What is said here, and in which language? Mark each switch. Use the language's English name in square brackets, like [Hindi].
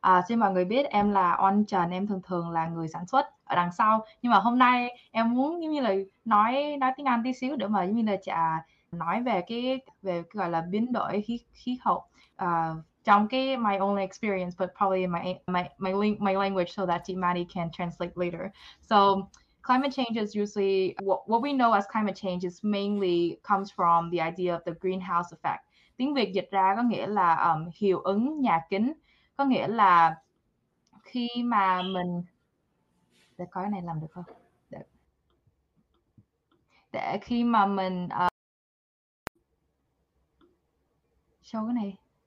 [Vietnamese] Xin mọi người biết em là On Trần, em thường là người sản xuất ở đằng sau, nhưng mà hôm nay em muốn giống như là nói tiếng Anh tí xíu để mà giống như là chả nói về cái gọi là biến đổi khí hậu trong cái [English] my only experience but probably in my language so that Maddie can translate later. So climate change is usually what we know as climate change is mainly comes from the idea of the greenhouse effect. [Vietnamese] Tiếng Việt dịch ra có nghĩa là hiệu ứng nhà kính, có nghĩa là khi mà mình để coi cái này làm được không, để khi mà mình show cái này.